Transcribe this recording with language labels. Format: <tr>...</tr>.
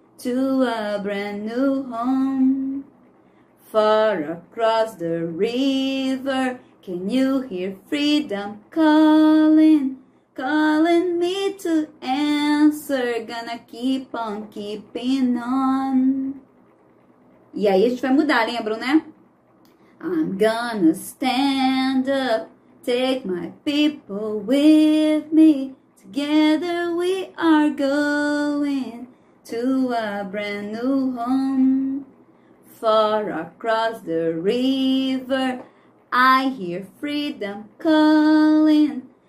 <en>to a brand new home. Far across the river, can you hear freedom calling? Calling me to answer, gonna keep on keeping on.</en> <pt>E aí a gente vai mudar, lembram, né?</pt> <en>I'm gonna stand up, take my people with me. Together we are going to a brand new home. Far across the river, I hear freedom calling.</en>